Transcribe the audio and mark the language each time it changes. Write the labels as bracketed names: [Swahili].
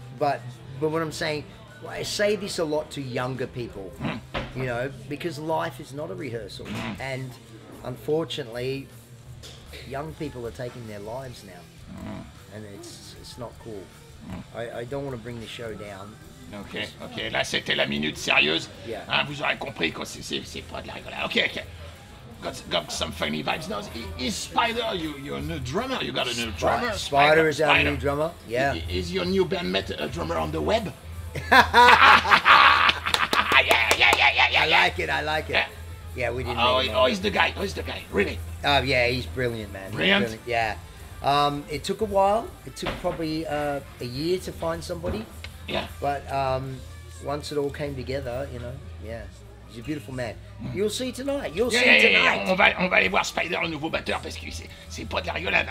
[English] But what I'm saying, I say this a lot to younger people, you know, because life is not a rehearsal. And unfortunately, young people are taking their lives now. And it's not cool. I don't want to bring the show down. [French] Ok, là c'était la minute sérieuse. [English] Yeah. [French] Hein, vous aurez compris que c'est pas de la rigolade. [English] Ok. Got some funny vibes. Now, is Spider your new drummer? You got a new drummer? Spider is our new drummer. Yeah. Is your new bandmate a drummer on the web? I like it. Yeah, we didn't know. Oh, he's the guy, really? He's brilliant, man. Brilliant? Yeah. It took a while. It took probably a year to find somebody. Yeah. But once it all came together, you know, yeah. He's a beautiful man. You'll see tonight. Yeah. [French] On va aller voir Spider, le nouveau batteur, parce que c'est pas de la rigolade.